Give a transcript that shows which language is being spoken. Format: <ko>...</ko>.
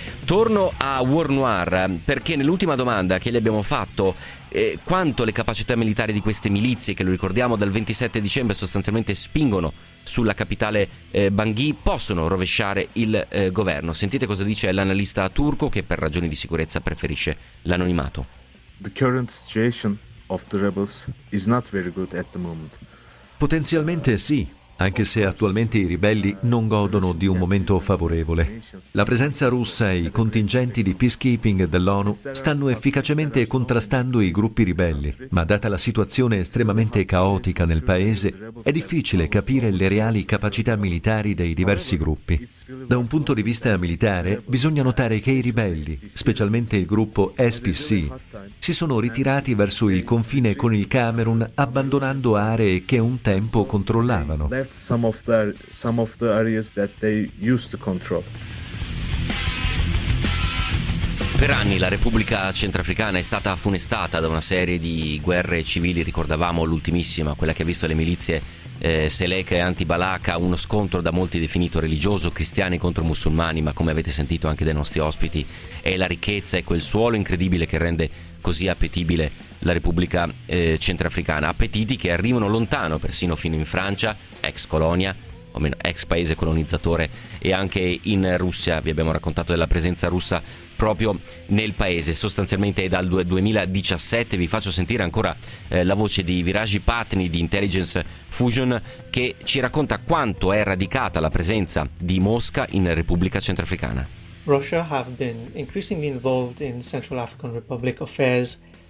<it>Torno a War Noir, perché nell'ultima domanda che gli abbiamo fatto, quanto le capacità militari di queste milizie, che lo ricordiamo dal 27 dicembre sostanzialmente spingono sulla capitale Bangui, possono rovesciare il governo? Sentite cosa dice l'analista turco, che per ragioni di sicurezza preferisce l'anonimato.</it> <en>The current situation of the rebels is not very good at the moment.</en> <it>Potenzialmente sì, anche se attualmente i ribelli non godono di un momento favorevole. La presenza russa e i contingenti di peacekeeping dell'ONU stanno efficacemente contrastando i gruppi ribelli, ma data la situazione estremamente caotica nel paese, è difficile capire le reali capacità militari dei diversi gruppi. Da un punto di vista militare, bisogna notare che i ribelli, specialmente il gruppo SPC, si sono ritirati verso il confine con il Camerun, abbandonando aree che un tempo controllavano.</it> <en>Some of the areas that they used to control.</en> <it>Per anni la Repubblica Centrafricana è stata funestata da una serie di guerre civili. Ricordavamo l'ultimissima, quella che ha visto le milizie Seleka e Antibalaka, uno scontro da molti definito religioso, cristiani contro musulmani, ma come avete sentito anche dai nostri ospiti, è la ricchezza e quel suolo incredibile che rende così appetibile la Repubblica Centrafricana. Appetiti che arrivano lontano, persino fino in Francia, ex colonia, o meno ex paese colonizzatore, e anche in Russia. Vi abbiamo raccontato della presenza russa proprio nel paese. Sostanzialmente è dal 2017. Vi faccio sentire ancora la voce di Viraji Patni di Intelligence Fusion, che ci racconta quanto è radicata la presenza di Mosca in Repubblica Centrafricana.</it> <en>Russia have been increasingly involved in Central African Republic affairs.</en>